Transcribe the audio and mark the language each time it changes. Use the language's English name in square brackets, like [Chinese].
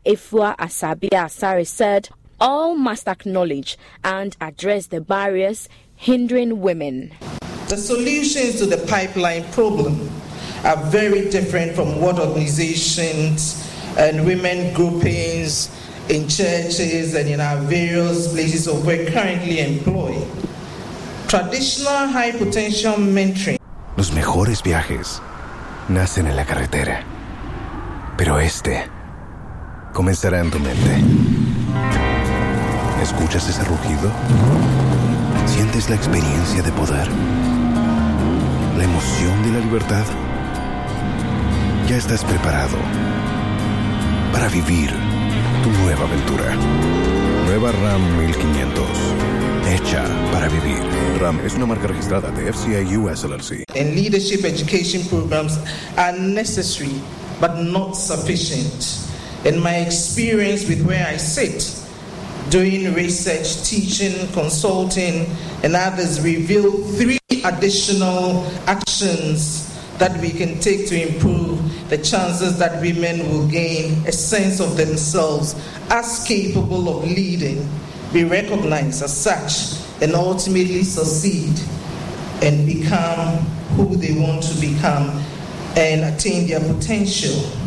[English] Ifua Asabia Asare, said all must acknowledge and address the barriers hindering women. The solutions to the pipeline problem are very different from what organizations and women groupings in churches and in our various places of work currently employ. Traditional high potential mentoring. [Spanish] Los mejores viajes nacen en la carretera, pero este comenzará en tu mente. ¿Escuchas ese rugido? ¿Sientes la experiencia de poder? ¿La emoción de la libertad? Ya estás preparado para vivir tu nueva aventura. Nueva Ram 1500. Hecha para vivir. Ram es una marca registrada de FCA US LLC. [English] And leadership education programs are necessary but not sufficient. In my experience with where I sit, doing research, teaching, consulting, and others reveal 3 additional actions that we can take to improve the chances that women will gain a sense of themselves as capable of leading, be recognized as such, and ultimately succeed and become who they want to become and attain their potential.